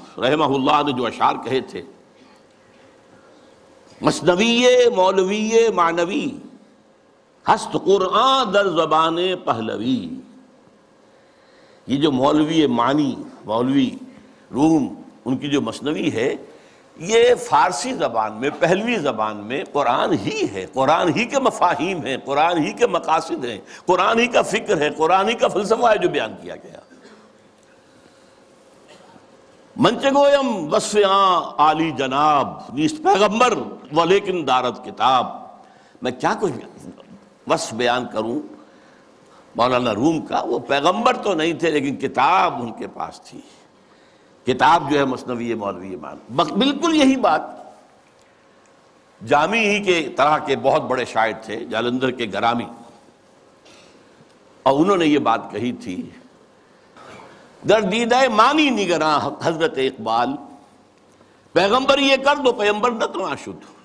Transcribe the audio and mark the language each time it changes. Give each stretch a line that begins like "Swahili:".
Urdu: رحمہ اللہ نے جو اشعار کہے تھے،
Persian: مثنوی مولوی معنوی ہست قرآن در زبان پہلوی،
Urdu: یہ جو مولوی معنی مولوی روم ان کی جو مثنوی ہے، یہ فارسی زبان میں پہلوی زبان میں قرآن ہی ہے، قرآن ہی کے مفاہیم ہیں، قرآن ہی کے مقاصد ہیں، قرآن ہی کا فکر ہے، قرآن ہی کا فلسفہ ہے جو بیان کیا گیا.
Persian: منچگویم وصف آن عالی جناب، نیست پیغمبر ولیکن دارت کتاب.
Urdu: میں کیا کچھ وصف بیان کروں مولانا روم کا، وہ پیغمبر تو نہیں تھے لیکن کتاب ان کے پاس تھی، کتاب جو ہے مثنوی مولوی ایمان. بالکل یہی بات جامی ہی کے طرح کے بہت بڑے شاعر تھے جالندھر کے گرامی، اور انہوں نے یہ بات کہی تھی،
Persian: دردیدہ مانی نگراں حضرت اقبال، پیغمبر یہ کر دو پیغمبر نہ تو آشد.